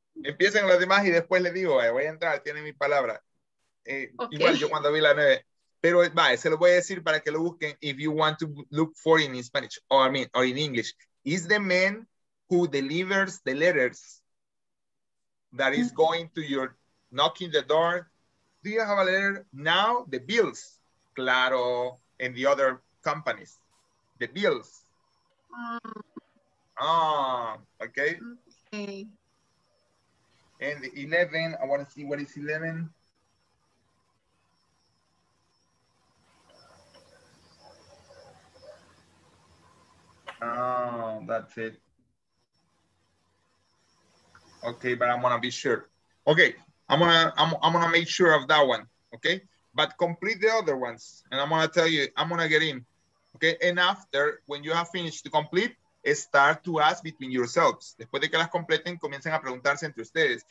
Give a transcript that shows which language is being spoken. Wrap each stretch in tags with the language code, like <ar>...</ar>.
<es>Empiecen las demás y después les digo, voy a entrar, tiene mi palabra. Okay. Igual yo cuando vi la nueve. Pero va, se lo voy a decir para que lo busquen.</es> <en>If you want to look for it in Spanish, or I mean, or in English. Is the man who delivers the letters that is going to your knocking the door. Do you have a letter? Now the bills, Claro, and the other companies. The bills. Okay. And the 11, I want to see what is 11. That's it. Okay, but I'm gonna be sure. Okay, I'm gonna make sure of that one. Okay, but complete the other ones, and I'm gonna tell you, I'm gonna get in. Okay, and after, when you have finished to complete, start to ask between yourselves.</en> <es>Después de que las completen, comiencen a preguntarse entre ustedes.</es>